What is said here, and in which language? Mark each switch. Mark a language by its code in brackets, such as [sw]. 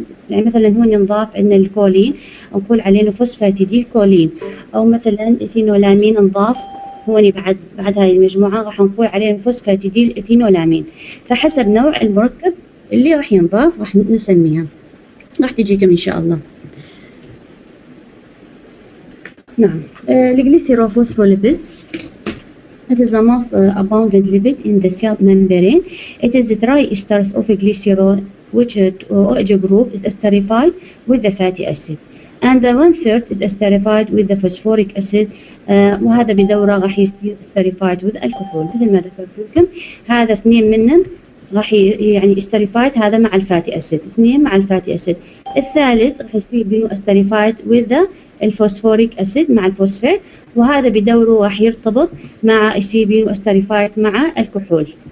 [ar] يعني مثلا هون نضاف عندنا الكولين نقول عليه فوسفاتيديل كولين، او مثلا إثينولامين نضاف هون بعد هاي المجموعه راح نقول عليه فوسفاتيديل إثينولامين، فحسب نوع المركب اللي راح ينضاف راح نسميها، راح تجيكم ان شاء الله. نعم الجليسيروفوسفوليبيد [en] It is the most abundant lipid in the cell membrane. It is the triesters of glycerol, which OH group is esterified with the fatty acid. And the one third is esterified with the phosphoric acid. [ar] وهذا بدوره راح يسترفايد with الكحول، مثل ما ذكرت لكم، هذا اثنين منهم راح يعني esterified هذا مع الفاتي acid، اثنين مع الفاتي acid. الثالث راح يصير بينه [en] esterified with the [ar] الفوسفوريك أسيد مع الفوسفات، وهذا بدوره راح يرتبط مع السيبين وأستريفايت مع الكحول.